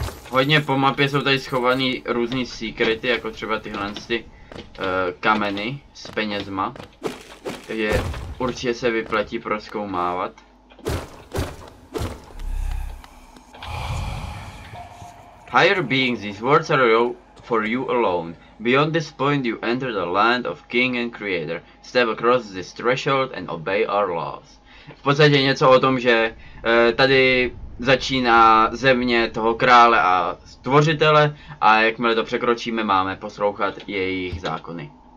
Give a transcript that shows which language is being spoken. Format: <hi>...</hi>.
<cs>Hodně po mapě jsou tady schovaný různý secrety, jako třeba tyhle ty kameny s penězma. Takže určitě se vyplatí prozkoumávat.</cs> <en>Higher beings, these words are for you alone. Beyond this point you enter the land of King and Creator. Step across this threshold and obey our laws.</en> <cs>V podstatě něco o tom, že tady začíná země toho krále a stvořitele a jakmile to překročíme, máme poslouchat jejich zákony.</cs>